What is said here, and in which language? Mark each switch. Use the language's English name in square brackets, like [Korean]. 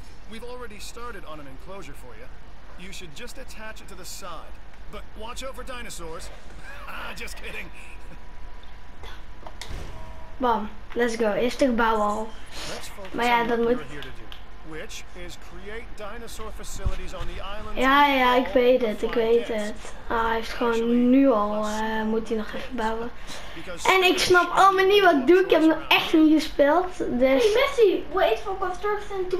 [English] We've already started on an enclosure for you. You should just attach it to the side. But watch out for dinosaurs. Ah, just kidding. Bam, let's go. [Dutch] Eerst het gebouw al. Maar ja, dat moet. [English] Which is create dinosaur facilities on the island. [Dutch] Ja, ik weet het. Ah, hij heeft gewoon nu al moet hij nog even bouwen. En ik snap allemaal niet wat ik doe. Ik heb nog echt niet gespeeld. Dus. [English] Hey Messi, wait for construction to